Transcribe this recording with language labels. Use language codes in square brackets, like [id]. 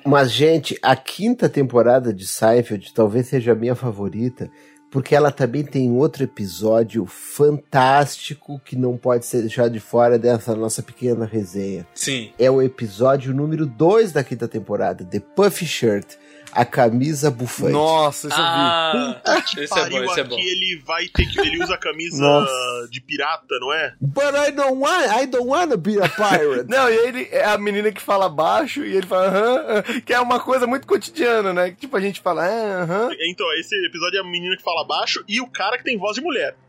[pt] Mas, gente, a quinta temporada de Seinfeld talvez seja a minha favorita, porque ela também tem outro episódio fantástico que não pode ser deixado de fora dessa nossa pequena resenha. Sim. É o episódio número 2 da quinta temporada, The Puffy Shirt, a camisa bufante. Nossa, isso eu vi. Esse é bom, esse é bom. Aqui ele vai ter que... Ele usa a camisa de pirata, não é? [en] But I don't wanna be a pirate. [pt] Não, e ele é a menina que fala baixo e ele fala aham, que é uma coisa muito cotidiana, né? Tipo, a gente fala aham. Então, esse episódio é a menina que fala baixo e o cara que tem voz de mulher.